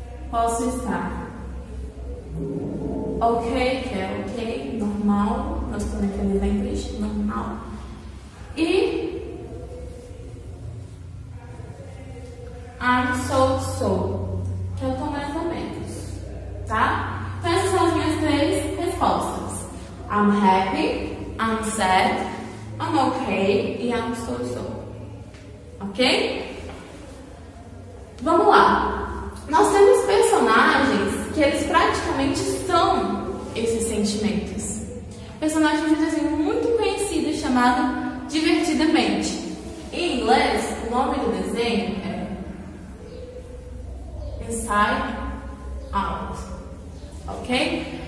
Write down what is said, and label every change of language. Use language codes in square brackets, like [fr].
[pt] Posso estar ok, que é ok, normal. Não estou me entendendo em inglês, normal. E [en] I'm so-so, [pt] que eu estou mais ou menos. Tá? Então, essas são as minhas 3 respostas. [en] I'm happy, I'm sad, I'm ok e I'm so-so. [pt] Ok? Vamos lá. Nós temos personagens que eles praticamente são esses sentimentos. Personagem de desenho muito conhecido chamado Divertidamente. Em inglês, o nome do desenho é Inside Out. Ok?